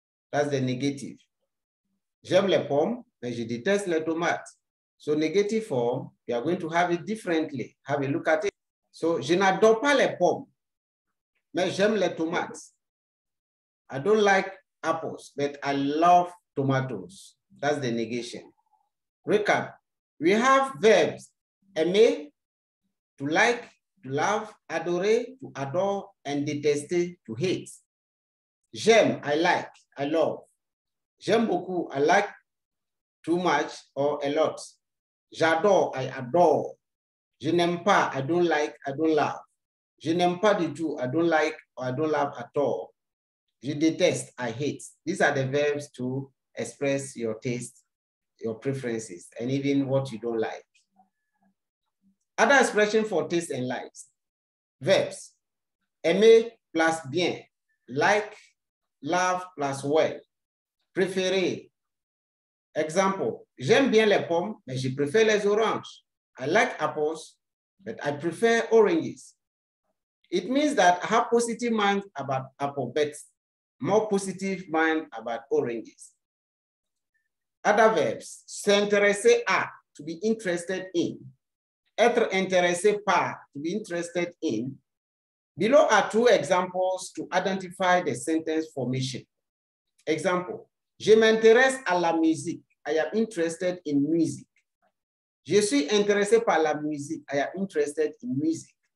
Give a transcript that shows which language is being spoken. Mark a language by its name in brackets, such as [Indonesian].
[English] That's the negative. [French] J'aime les pommes, mais je déteste les tomates. [English] So negative form, we are going to have it differently. Have a look at it. [French] So, je n'adore pas les pommes, mais j'aime les tomates. [English] I don't like apples, but I love tomatoes. That's the negation. Recap. We have verbs, aimer, to like, to love, adorer, to adore, and détester, to hate. J'aime, I like, I love. [French] J'aime beaucoup, [English] I like too much or a lot. J'adore, I adore. [French] Je n'aime pas, [English] I don't like, I don't love. [French] Je n'aime pas du tout, [English] I don't like, or I don't love at all. [French] Je déteste, [English] I hate. These are the verbs to express your taste, your preferences, and even what you don't like. Other expression for taste and likes. Verbs, aimer plus bien, like, love plus well, préférer. Example, [French] j'aime bien les pommes, mais je préfère les oranges. [English] I like apples, but I prefer oranges. It means that I have positive mind about apple, but more positive mind about oranges. Other verbs, [French] s'intéresser à, [English] to be interested in, [French] être intéressé par, [English] to be interested in. Below are two examples to identify the sentence formation. Example, [French] je m'intéresse à la musique, [English] I am interested in music. [French] Je suis intéressé par la musique, [English] I am interested in music.